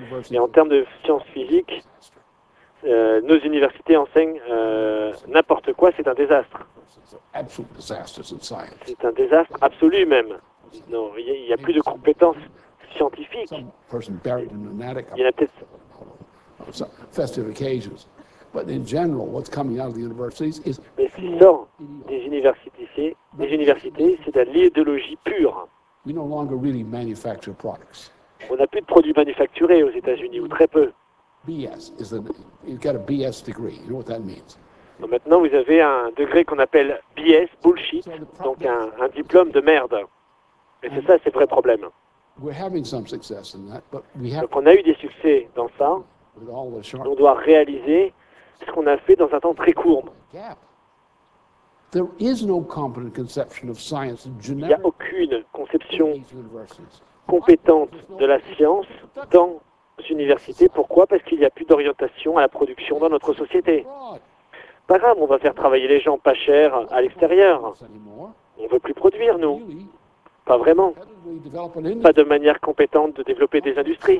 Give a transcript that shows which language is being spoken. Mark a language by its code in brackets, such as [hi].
[fr] Et en termes de sciences physiques, nos universités enseignent n'importe quoi, c'est un désastre. C'est un désastre absolu même. Non, il n'y a plus de compétences scientifiques. Il y en a peut-être. [en] But in general, what's coming out of the universities is. [fr] Mais ce qui sort des universités, c'est de l'idéologie pure. [en] We no longer really manufacture products. [fr] On n'a plus de produits manufacturés aux États-Unis, ou très peu. [en] BS is you've got a BS degree. You know what that means? [fr] Donc maintenant, vous avez un degré qu'on appelle BS, bullshit, donc un diplôme de merde. Et c'est ça, c'est le vrai problème. [en] We're having some success in that, but we have. [fr] Donc on a eu des succès dans ça. On doit réaliser ce qu'on a fait dans un temps très court. [en] There is no competent conception of science in general. [fr] Il n'y a aucune conception compétente de la science dans les universités. Pourquoi ? Parce qu'il n'y a plus d'orientation à la production dans notre société. Pas grave, on va faire travailler les gens pas cher à l'extérieur. On ne veut plus produire, nous. Pas vraiment. Pas de manière compétente de développer des industries.